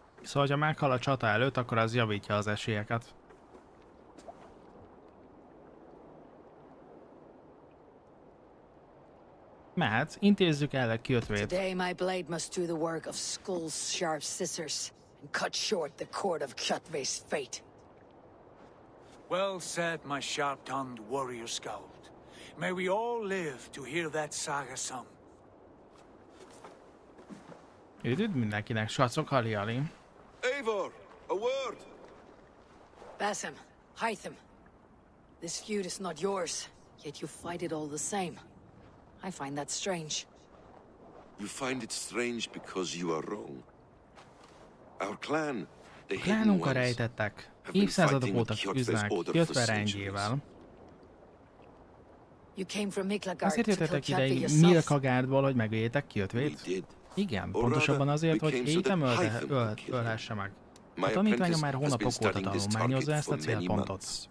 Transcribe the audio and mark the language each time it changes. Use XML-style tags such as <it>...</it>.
<hu>Szóval, ha meghal a csata előtt, akkor az javítja az esélyeket. Mehet, intézzük el a kötvét.</hu> <en>Today my blade must do the work of Skull's sharp scissors and cut short the cord of Kjotve's fate. Well said, my sharp-tongued warrior scout. May we all live to hear that saga sung.</en> <hu>Üdvöd mindenkinek, srácok, halli, halli.</hu> <en>Eivor, a word! Basim, Hytham. This feud is not yours, yet you fight it all the same. I find that strange. You find it strange because you are wrong. Our clan.</en> <hu>A klánunk a rejtettek. Évszázadok óta küzdnek Kjotve rendjével. Azért jöttetek ide egy Milkagárdból, hogy megöljétek Kjotvét? Igen, pontosabban azért, hogy Hétem ölhesse meg. A tanítványa már hónapok óta tanulmányozza ezt a célpontot.</hu>